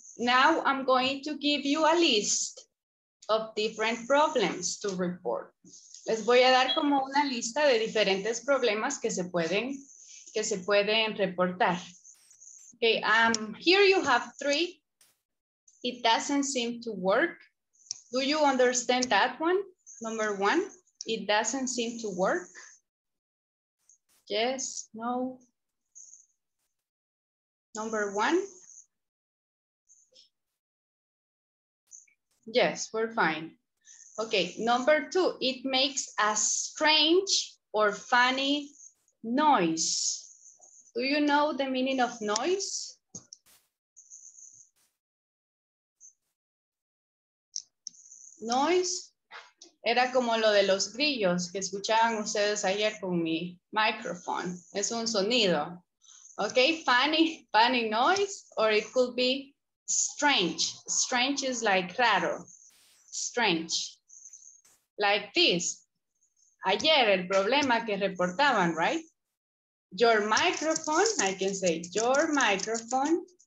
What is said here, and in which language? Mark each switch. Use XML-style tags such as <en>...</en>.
<en>Now I'm going to give you a list of different problems to report.</en> <es>Les voy a dar como una lista de diferentes problemas que se pueden reportar.</es> <en>Okay, here you have three. It doesn't seem to work. Do you understand that one? Number one, it doesn't seem to work. Yes, no. Number one. Yes, we're fine. Okay, number two, it makes a strange or funny noise. Do you know the meaning of noise?</en> <es>Noise era como lo de los grillos que escuchaban ustedes ayer con mi microphone. Es un sonido.</es> <en>Okay, funny noise, or it could be strange. Strange is like raro, strange. Like this.</en> <es>Ayer el problema que reportaban,</es> <en>right? Your microphone, I can say, your microphone</en>